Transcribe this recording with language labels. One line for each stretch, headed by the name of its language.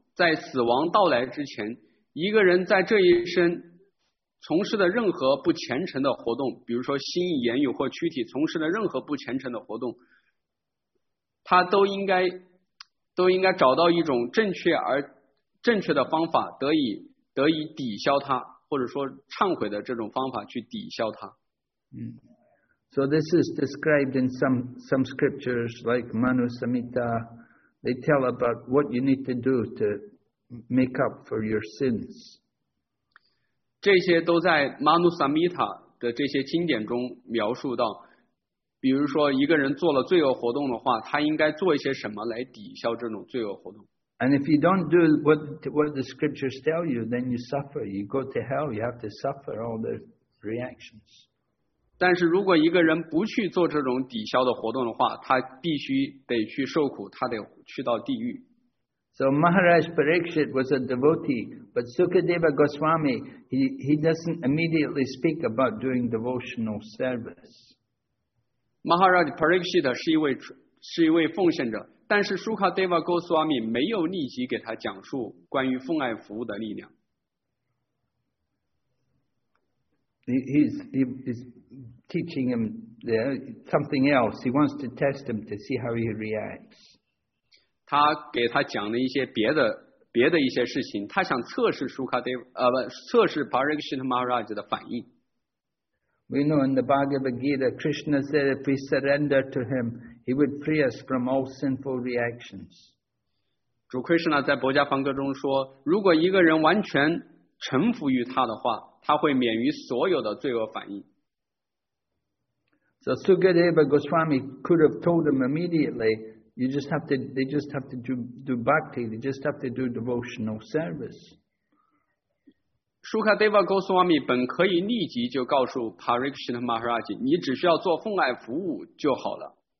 Chinese: 在死亡到来之前，一个人在这一生从事的任何不虔诚的活动，比如说心意、言语或躯体从事的任何不虔诚的活动，他都应该找到一种正确的方法，得以抵消它，或者说忏悔的这种方法去抵消它。
English: So this is described in some scriptures like Manu Samhita. They tell about what you need to do to make up for your sins.
Chinese: 这些都在 Manu Samhita 的这些经典中描述到，比如说一个人做了罪恶活动的话，他应该做一些什么来抵消这种罪恶活动。
English: And if you don't do what the scriptures tell you, then you suffer. You go to hell. You have to suffer all the reactions.
Chinese: 但是如果一个人不去做这种抵消的活动的话，他必须得去受苦，他得去到地狱。
English: So Maharaj Parikshit was a devotee, but Sukadeva Goswami he doesn't immediately speak about doing devotional service.
Chinese: Maharaj Parikshit 是一位奉献者，但是 Sukadeva Goswami 没有立即给他讲述关于奉爱服务的力量。
English: He's teaching him something else. He wants to test him to see how he reacts.
Chinese: 他给他讲了一些别的一些事情，他想测试Parikshit Maharaj 的反应。
English: We know in the Bhagavad Gita, Krishna said if we surrender to him, he would free us from all sinful reactions.
Chinese: 主 Krishna 在博迦梵歌中说，如果一个人完全臣服于他的话，他会免于所有的罪恶反应。
English: So Sukadeva Goswami could have told him immediately, they just have to do bhakti, they just have to do devotional service.
Chinese: Sukadeva Goswami 本可以立即就告诉 Parikshit Maharaj, 你只需要做奉爱服务就好了。